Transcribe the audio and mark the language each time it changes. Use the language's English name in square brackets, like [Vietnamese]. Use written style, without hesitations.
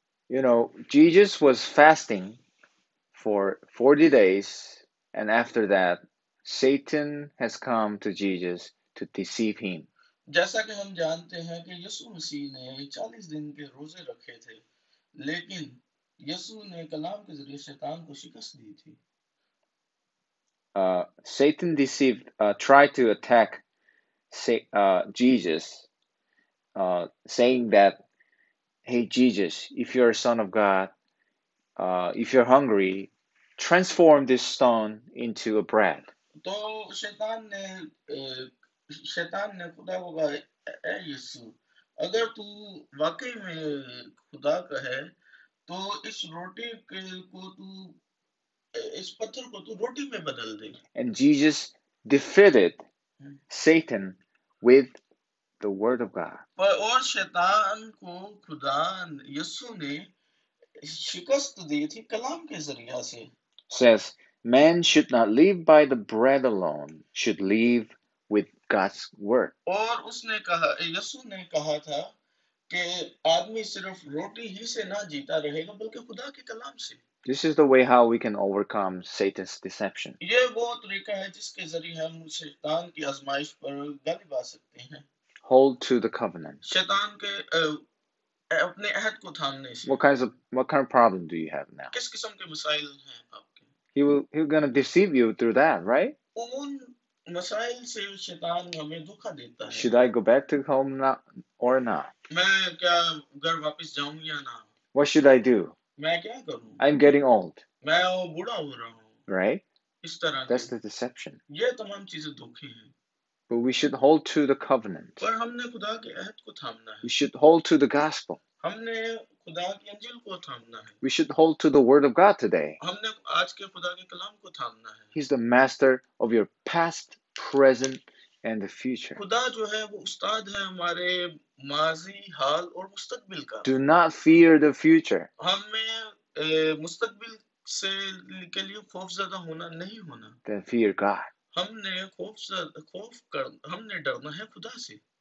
[English] You know, Jesus was fasting for 40 days, and after that, Satan has come to Jesus to deceive him. [Hindi] जैसा कि हम जानते हैं कि यीशु मसीह ने 40 दिन के रोजे रखे थे, लेकिन यीशु ने कलाम के जरिए शैतान को शिकस्त दी थी। [English] Satan deceived, tried to attack, Jesus, saying that, "Hey Jesus, if you're a son of God, if you're hungry, transform this stone into a bread." [Hindi] तो शैतान ने खुदा को कहा, "ए यीशु, अगर तू वाकई में खुदा का है, तो इस रोटी के को तू इस पत्थर को तू रोटी में बदल दे." [English] And Jesus defeated Satan with the word of God. [Hindi] पर और शैतान को खुदा यीशु ने शिकस्त दी थी कलाम के जरिए से. [English] Says, "Man should not live by the bread alone; should live with God's word." [Hindi] और उसने कहा, यीशु ने कहा था कि आदमी सिर्फ रोटी ही से ना जीता रहेगा, बल्कि खुदा के कलाम से। [English] This is the way how we can overcome Satan's deception. [Hindi] ये वो तरीका है जिसके जरिए हम शैतान की आजमाइश पर गलिब आ सकते हैं। [English] Hold to the covenant. [Hindi] शैतान के अपने अहद को थामने से। [English] What kind of problem do you have now? [Hindi] किस किस्म के मसाइल हैं आपके? [English] He's gonna deceive you through that, right? [Hindi] मसाइल से शैतान हमें धोखा देता है। [English] Should I go back to home now or not? [Hindi] मैं क्या घर वापस जाऊं या ना? [English] What should I do? [Hindi] मैं क्या करूं? [English] I'm getting old. [Hindi] मैं वो बूढ़ा हो रहा हूं। [English] Right? [Hindi] इस तरह [English] That's the deception. [Hindi] ये तमाम चीजें धोखे हैं। [English] But we should hold to the covenant. [Hindi] पर हमने खुदा के अहद को थामना है। [English] We should hold to the gospel. [Hindi] हमने खुदा की अंजील को थामना है। [English] We should hold to the word of God today. [Hindi] हमने आज के खुदा के कलाम को थामना है। [English] He's the master of your past, present, and the future. [Hindi] खुदा जो है वो उस्ताद है हमारे माजी, हाल और मुस्तकबिल का। [English] Do not fear the future. [Hindi] हमें मुस्तकबिल से के लिए खौफजदा होना नहीं होना। [English] Then fear God. [Hindi] हमने खौफ कर हमने डरना है खुदा से।